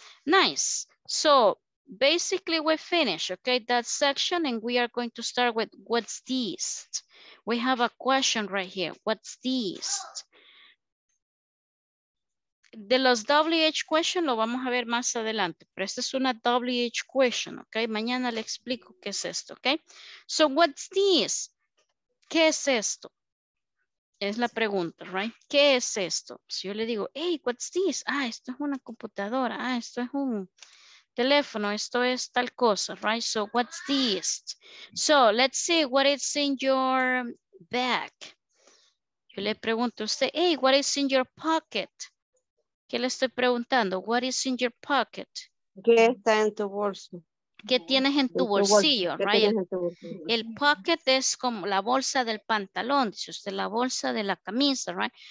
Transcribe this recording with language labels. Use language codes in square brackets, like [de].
[en] Nice, so, basically we finish, ok, that section and we are going to start with what's this? We have a question right here, what's this? [es] De los WH question lo vamos a ver más adelante, pero esta es una WH question, ok? Mañana le explico qué es esto, ok? [en] So, what's this? [es] ¿Qué es esto? Es la pregunta, right? ¿Qué es esto? Si yo le digo, [en] hey, what's this? [es] Ah, esto es una computadora, ah, esto es un teléfono, esto es tal cosa, right? [en] So, what's this? So, let's see what is in your bag. [es] Yo le pregunto a usted, [en] hey, what is in your pocket? [es] ¿Qué le estoy preguntando? [en] What is in your pocket? [es] ¿Qué está en tu bolso? ¿Qué tienes en tu bolsillo? Right? El pocket es como la bolsa del pantalón, dice usted, la bolsa de la camisa, right?